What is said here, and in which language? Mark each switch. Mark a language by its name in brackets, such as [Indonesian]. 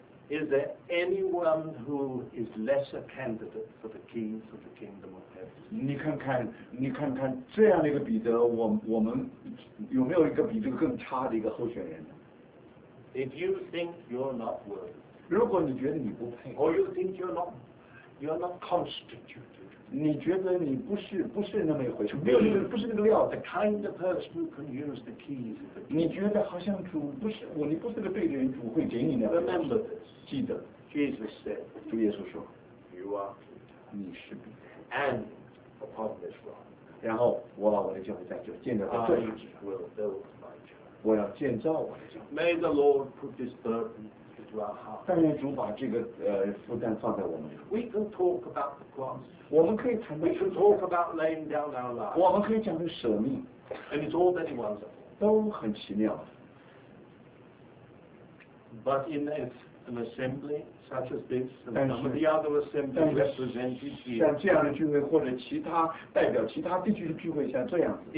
[English] Is there anyone who is less a candidate for the keys of the kingdom of heaven? [Chinese] 你看看这样的一个彼得，我们有没有一个比这个更差的一个候选人呢 [English] ？If you think you're not worthy. [Chinese] 如果你觉得你不配 [English] ，or you think you're not constituted， [Chinese] 你觉得你不是那么一回事，没有那个不是那个料 [English] ，the kind of person who can use the keys， [Chinese] 你觉得好像主不是我，你不是个对的人，主会给你那个。 [English] Remember this， [Chinese] 记得。 [English] Jesus said， [Chinese] 主耶稣说 [English] ，You are Peter， [Chinese] 你是彼得 [English] ，and upon this rock， [Chinese] 然后我把我的教会在这建造在这 [English] 上 ，I will build my church， [Chinese] 我要建造我的教会。 [English] May the Lord put this burden。 [Chinese] 但愿主把这个负担放在我们。 [English] We can talk about the cross. [Chinese] 我们可以谈。 [English] We can talk about laying down our lives. [Chinese] 我们可以讲的舍命。 [English] And it's all very wonderful. [Chinese] 都很奇妙。 [English] But in an assembly such as this, and some of the other assemblies represented here, [Chinese] 像这样的聚会或者其他代表其他地区的聚会，像这样子